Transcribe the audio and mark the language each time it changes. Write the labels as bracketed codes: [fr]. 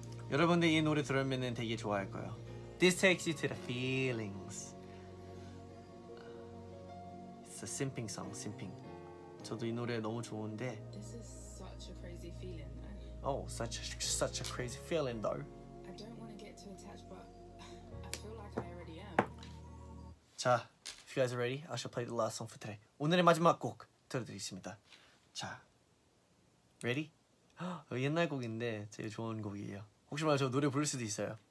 [ko] 여러분들 이 노래 들으면 되게 좋아할 거예요. [en] This takes you to the feelings. It's a simping song, simping. [ko] 저도 이 노래 너무 좋은데. [en] This is such a crazy feeling though. Oh, such a crazy feeling though. I don't want to get too attached, but I feel like I already am. [ko] 자, [en] if you guys are ready, I shall play the last song for today. [ko] 오늘의 마지막 곡 들려드리겠습니다. [en] 자, ready? [ko] 옛날 곡인데 제일 좋은 곡이에요. 혹시 몰라 저 노래 부를 수도 있어요.